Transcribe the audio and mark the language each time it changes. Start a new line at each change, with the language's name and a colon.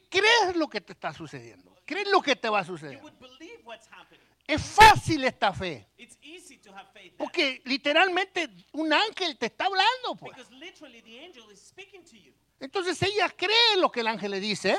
Spanish: crees lo que te está sucediendo, crees lo que te va a suceder.
English: You would believe what's happening.
Spanish: Es fácil esta fe.
English: It's easy to have faith.
Spanish: Porque literalmente un ángel te está hablando, pues.
English: Because literally the angel is speaking to you.
Spanish: Entonces ella cree lo que el ángel le dice.